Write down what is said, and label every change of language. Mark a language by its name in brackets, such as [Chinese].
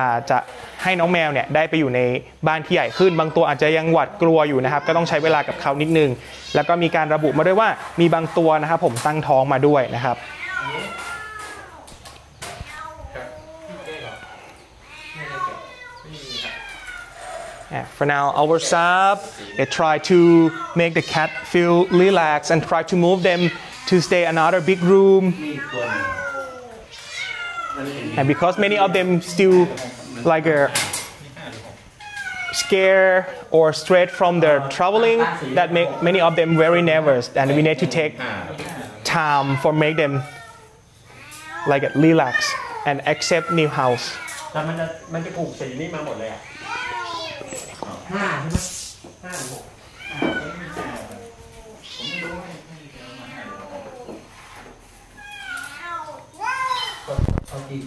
[Thai] จะให้น้องแมวเนี่ยได้ไปอยู่ในบ้านที่ใหญ่ขึ้นบางตัวอาจจะยังหวาดกลัวอยู่นะครับก็ต้องใช้เวลากับเขานิดนึงแล้วก็มีการระบุมาด้วยว่ามีบางตัวนะครับผมตั้งท้องมาด้วยนะครับ [English] For now, our staff they try to make the cat feel relaxed and try to move them to stay another big room. And because many of them still like scared or stressed from their traveling, that make many of them very nervous. And we need to take time for make them like relax and accept new house [Thai] แต่มันจะถูกสีนี้มาหมดเลยอ่ะ5ใช่มั้ย5 6